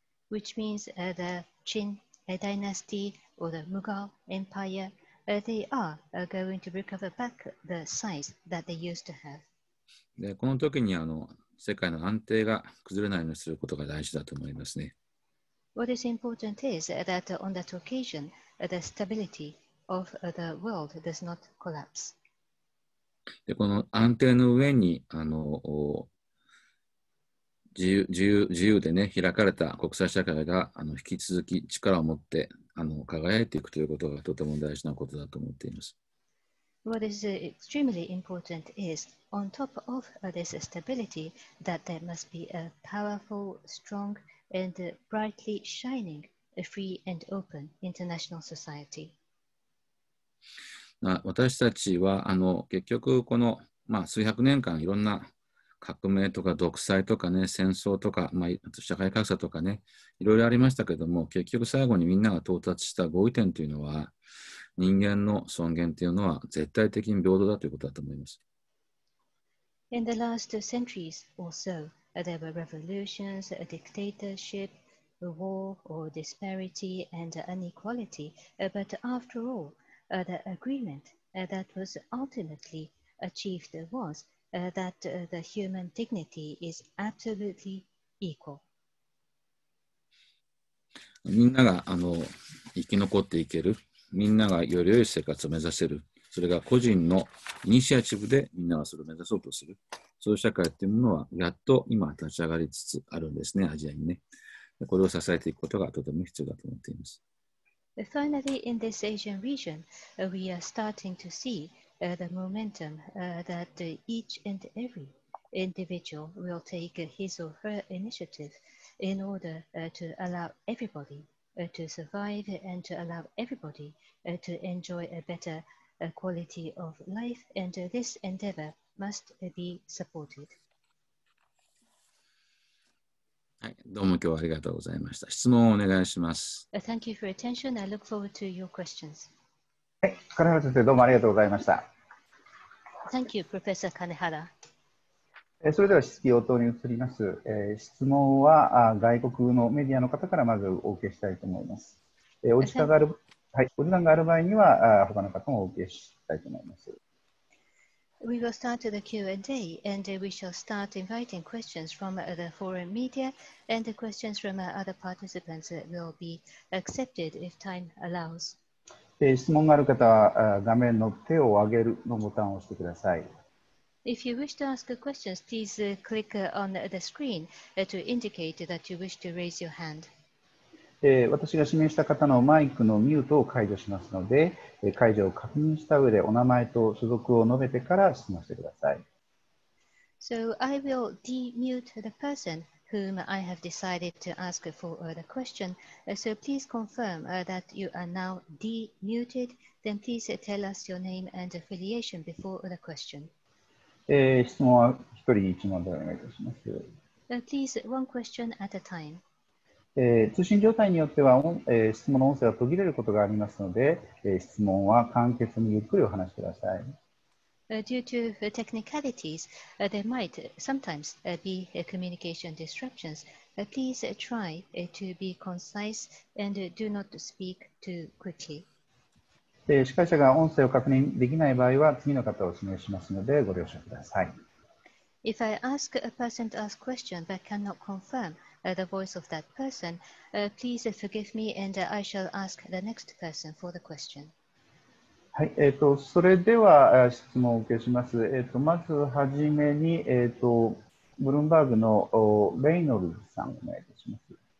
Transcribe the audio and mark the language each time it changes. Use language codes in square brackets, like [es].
[en] Which means the Qin dynasty or the Mughal Empire. They are going to recover back the size that they used to have. [ja] で、この時に世界の安定が崩れないようにすることが大事だと思いますね。 [en] What is important is that on that occasion, the stability of the world does not collapse. [ja] で、この安定の上に自由でね、開かれた国際社会が引き続き力を持って輝いていくということがとても大事なことだと思っています。 [en] What is extremely important is, on top of this stability, that there must be a powerful, strong, and brightly shining, free and open international society. [ja] 私たちは結局この、数百年間いろんな革命とか独裁とかね、戦争とか、社会格差とかね、いろいろありましたけども、結局最後にみんなが到達した合意点というのは、人間の尊厳というのは絶対的に平等だということだと思います。 [en] In the last centuries or so, there were revolutions, a dictatorship, a war or disparity and inequality, but after all, the agreement that was ultimately achieved wasthat the human dignity is absolutely equal. [ja] みんなが生き残っていける、みんながより良い生活を目指せる、それが個人のイニシアチブでみんながそれを目指そうとする、そういう社会というものはやっと今立ち上がりつつあるんですね、アジアにね。これを支えていくことがとても必要だと思っています。 [en] Finally, in this Asian region, we are starting to seeThe momentum that each and every individual will take his or her initiative in order to allow everybody to survive and to allow everybody to enjoy a better quality of life, and this endeavor must be supported. [ja] はい、どうも今日はありがとうございました。質問をお願いします。 [en] Thank you for your attention. I look forward to your questions. [ja] はい、金原先生どうもありがとうございました。 [en] Thank you, Professor Kanehara. [ja] それでは質疑応答に移ります。質問は外国のメディアの方からまずお受けしたいと思います。お時間がある、はい、お時間がある場合には他の方もお受けしたいと思います。 [en] We will start the Q&A and we shall start inviting questions from the foreign media and the questions from other participants will be accepted if time allows. [ja] 質問がある方は画面の手を上げるのボタンを押してください。 [en] If you wish to ask questions, please click on the screen to indicate that you wish to raise your hand. [ja] 私が指名した方のマイクのミュートを解除しますので、解除を確認した上でお名前と所属を述べてから質問してください。 [en] So I will demute the person. Whom I have decided to ask for the question. So please confirm that you are now demuted. Then please tell us your name and affiliation before the question. [ja] 質問は一人一問でお願いいたします。 [en] Please, one question at a time. [ja] 通信状態によっては、質問の音声は途切れることがありますので、質問は簡潔にゆっくりお話しください。 [en] Due to technicalities, there might sometimes be communication disruptions. Please try to be concise and do not speak too quickly. [ja] 司会者が音声を確認できない場合は次の方を指名しますのでご了承ください。 [en] If I ask a person to ask question but cannot confirm the voice of that person, please forgive me and I shall ask the next person for the question. [ja] はい、それでは質問を受けします。まずはじめに、ブルームバーグのレイノルズさん、お願いいたします。